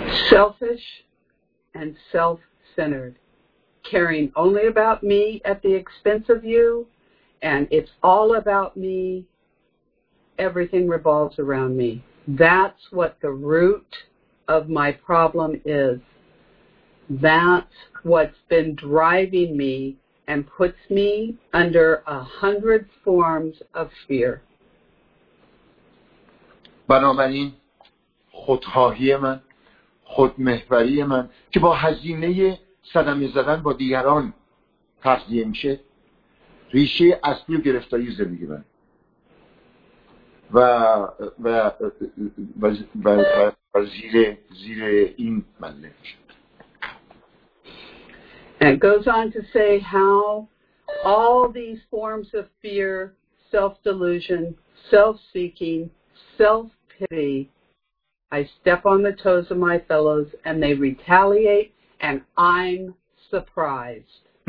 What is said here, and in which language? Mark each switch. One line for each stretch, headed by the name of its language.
English: Selfish and self-centered, caring only about me at the expense of you, and it's all about me, everything revolves around me. That's what the root of my problem is. That's what's been driving me and puts me under 100 forms of fear.
Persian: بنابراین خودخواهی من، خودمحوری من که با هزینه صدمه زدن با دیگران تغذیه میشه، ریشه اصلی و گرفتاری زندگی من و زیر این من نمیشه.
English: And goes on to say how all these forms of fear, self-delusion, self-seeking, self pity, I step on the toes of my fellows and they retaliate and I'm surprised.